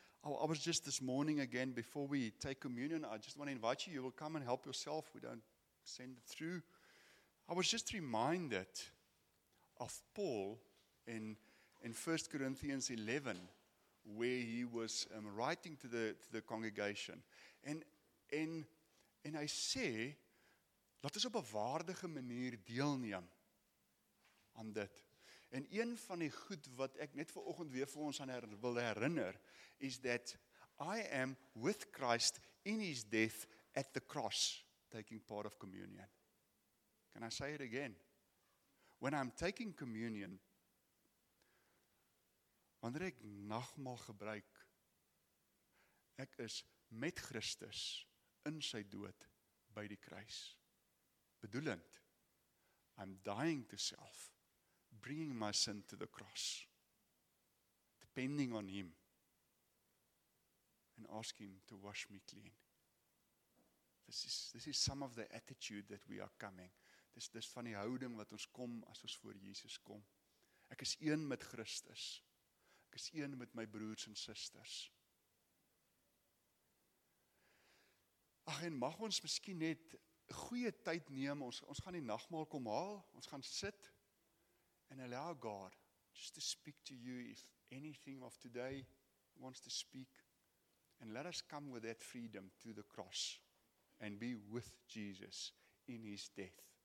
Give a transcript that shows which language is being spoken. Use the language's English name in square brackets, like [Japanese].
[English] I was just this morning again, before we take communion, I just want to invite you, you will come and help yourself, we don't send it through. I was just reminded of Paul in 1 Corinthians 11, where he was writing to the congregation. [Afrikaans] En hy sê, laat ons op 'n waardige manier deelneem aan dit. En een van die goed wat ek net vanoggend weer vir ons aan wil herinner, is [English] that I am with Christ in his death at the cross, taking part of communion. Can I say it again? When I'm taking communion, [Afrikaans] wanneer ek nagmaal gebruik, ek is met Christus in sy dood by die kruis. [English] Bedoelend, I'm dying to self, bringing my sin to the cross, depending on him, and ask him to wash me clean. This is some of the attitude that we are coming. [Afrikaans] Dis van die houding wat ons kom as ons voor Jesus kom. Ek is een met Christus. Ek is een met my broers en susters. Ag, en mag ons miskien net goeie tyd neem, ons gaan die nagmaal kom haal, ons gaan sit, [English] and allow God just to speak to you if anything of today wants to speak, and let us come with that freedom to the cross and be with Jesus in his death.